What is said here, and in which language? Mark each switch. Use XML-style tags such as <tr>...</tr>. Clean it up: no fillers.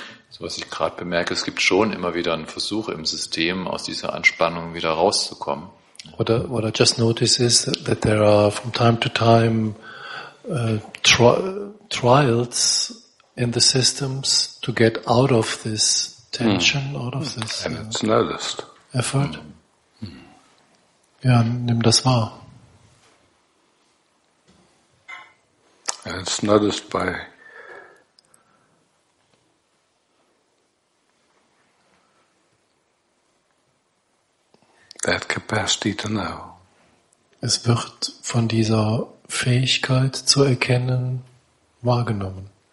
<de>So, was ich gerade bemerke, es gibt schon immer wieder einen Versuch im System, aus dieser Anspannung wieder rauszukommen.</de> <en>What I just notice is that there are from time to time trials in the systems to get out of this tension, out of this and it's noticed.</en> <de>Effort. Ja, nimm das wahr.</de> <en>And it's noticed by that capacity to know.</en> <de>Es wird von dieser Fähigkeit zu erkennen wahrgenommen.</de>